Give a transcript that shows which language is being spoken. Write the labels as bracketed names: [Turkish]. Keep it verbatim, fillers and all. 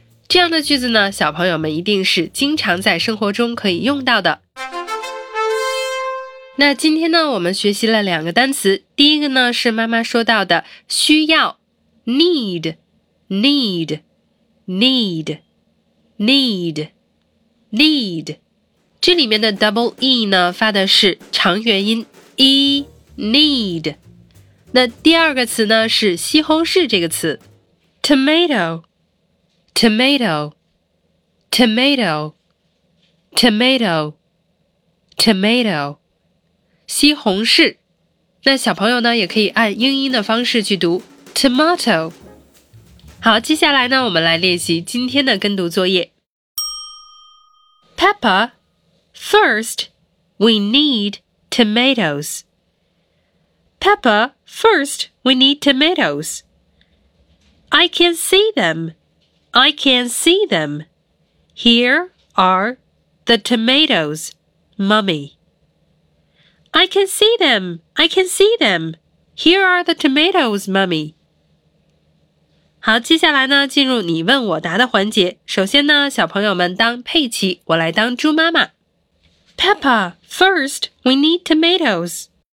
[Chinese] 这样的句子呢，小朋友们一定是经常在生活中可以用到的。那今天呢，我们学习了两个单词。第一个呢，是妈妈说到的需要 need, need, need, need, need。这里面的 double e 呢，发的是长元音 e need。那第二个词呢，是西红柿这个词 tomato tomato tomato tomato tomato 西红柿。那小朋友呢，也可以按英音的方式去读 tomato。好，接下来呢，我们来练习今天的跟读作业。 [English] Peppa,First, we need tomatoes. Peppa, first, we need tomatoes. I can see them. I can see them. Here are the tomatoes, Mummy. I can see them. I can see them. Here are the tomatoes, Mummy. [Chinese] 好，接下来呢，进入你问我答的环节。首先呢，小朋友们当佩奇，我来当猪妈妈。 [English] Peppa, first, we need tomatoes.